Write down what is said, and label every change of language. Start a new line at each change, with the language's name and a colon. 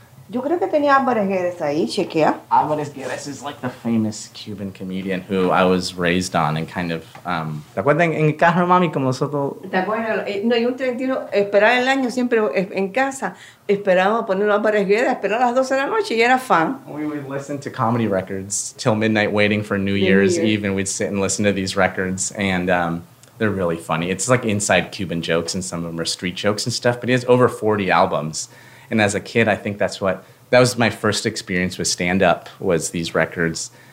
Spanish: Yo creo que tenía Álvarez Guedes ahí, chequea.
English: Álvarez Guedes is like the famous Cuban comedian who I was raised on and kind of...
Spanish: ¿Te acuerdas en casa, mami, como nosotros? ¿Te acuerdas? No, y un 31, esperar el año siempre en casa. Esperábamos poner Álvarez Guedes, esperar a las 12 de la noche y era fan.
English: We would listen to comedy records till midnight waiting for New Year's Eve, and we'd sit and listen to these records and... they're really funny. It's like inside Cuban jokes and some of them are street jokes and stuff, but he has over 40 albums. And as a kid, I think that was my first experience with stand-up, was these records.